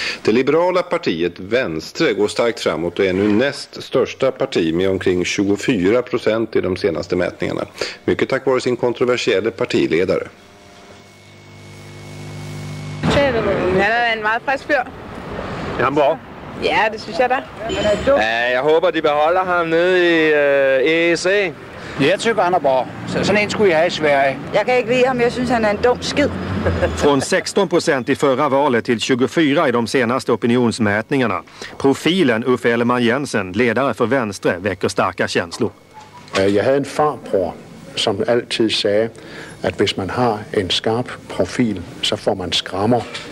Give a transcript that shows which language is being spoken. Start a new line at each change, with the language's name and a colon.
Swedish: Det liberala partiet Venstre går starkt framåt och är nu näst största parti med omkring 24% i de senaste mätningarna. Mycket tack vare sin kontroversiella partiledare. Han är en väldigt frisk fyr. Är han bra?
Danish: Ja, det synes jeg da. Ja, jeg håber, de beholder ham nede i EEC. Jeg tykker, han er bra. Sådan en skulle jeg have i Sverige. Jeg kan ikke lide ham, jeg synes, han er en dum skid.
Swedish: Från 16% i förra valet till 24 i de senaste opinionsmätningarna. Profilen Uffe Ellemann Jensen, ledare för Venstre, väcker starka känslor. Jag hade en farbror som alltid sa att
Danish: hvis man har en skarp profil
Swedish: så får man skrammer.